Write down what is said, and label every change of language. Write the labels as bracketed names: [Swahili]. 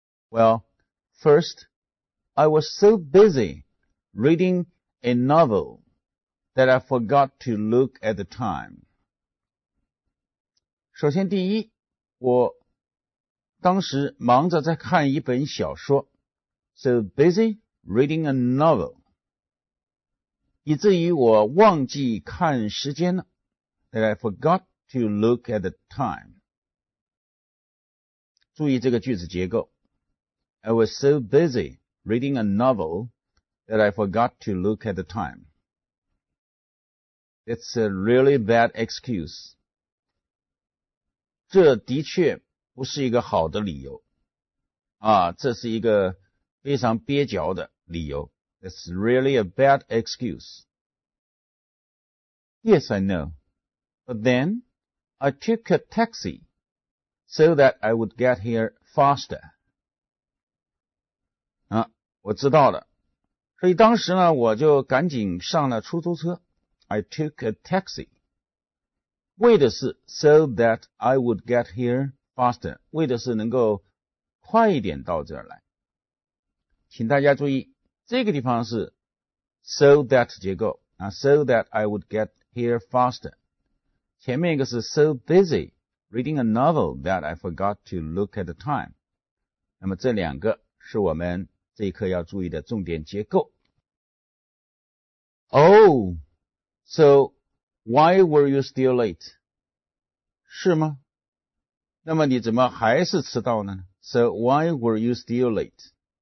[English] Well, first,I was so busy reading a novel that I forgot to look at the time. [Chinese] 首先第一，我当时忙着在看一本小说。 [English] So busy reading a novel. [Chinese] 以至于我忘记看时间了。 [English] That I forgot to look at the time. [Chinese] 注意这个句子结构。 [English] I was so busyreading a novel that I forgot to look at the time. It's a really bad excuse. [Chinese] 这的确不是一个好的理由。啊，这是一个非常蹩脚的理由。 [English] It's really a bad excuse. Yes, I know. But then, I took a taxi so that I would get here faster. [Chinese] 我知道了，所以当时呢，我就赶紧上了出租车。 [English] I took a taxi. [Chinese] 为的是 [English] so that I would get here faster. [Chinese] 为的是能够快一点到这儿来。请大家注意，这个地方是 so that 结构 [English] 啊 ，so that I would get here faster. [Chinese] 前面一个是 [English] so busy reading a novel that I forgot to look at the time. [Chinese] 那么这两个是我们。这一课要注意的重点结构。 [English] Oh, so why were you still late? [Chinese] 是吗？那么你怎么还是迟到呢？ [English] So why were you still late?